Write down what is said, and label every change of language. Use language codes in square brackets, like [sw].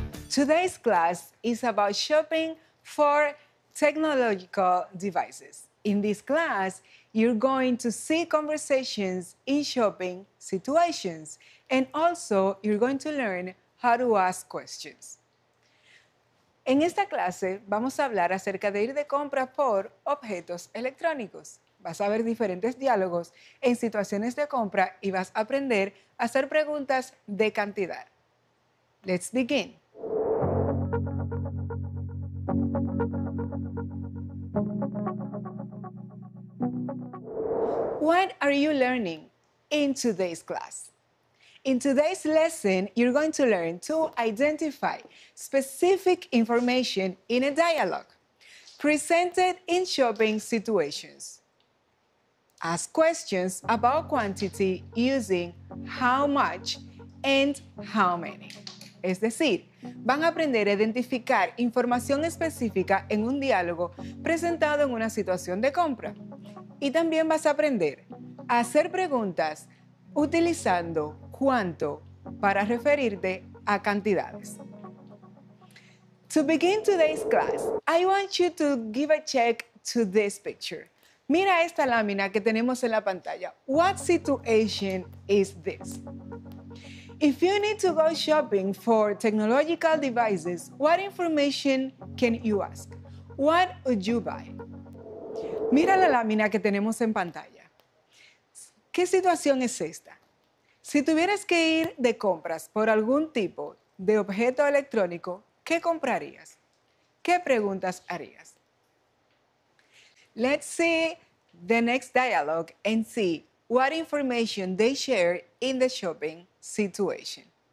[en] Today's class is about shopping for technological devices. In this class, you're going to see conversations in shopping situations, and also you're going to learn how to ask questions. [es] En esta clase vamos a hablar acerca de ir de compras por objetos electrónicos. Vas a ver diferentes diálogos en situaciones de compra y vas a aprender a hacer preguntas de cantidad. [en] Let's begin. What are you learning in today's class? In today's lesson, you're going to learn to identify specific information in a dialogue presented in shopping situations. Ask questions about quantity using how much and how many. [es] Es decir, van a aprender a identificar información específica en un diálogo presentado en una situación de compra. Y también vas a aprender a hacer preguntas utilizando cuánto para referirte a cantidades. [en] To begin today's class, I want you to give a check to this picture. [es] Mira esta lámina que tenemos en la pantalla. [en] What situation is this? If you need to go shopping for technological devices, what information can you ask? What would you buy? [es] Mira la lámina que tenemos en pantalla. ¿Qué situación es esta? Si tuvieras que ir de compras por algún tipo de objeto electrónico, ¿qué comprarías? ¿Qué preguntas harías? [en] Let's see the next dialogue and see what information they share in the shopping situation.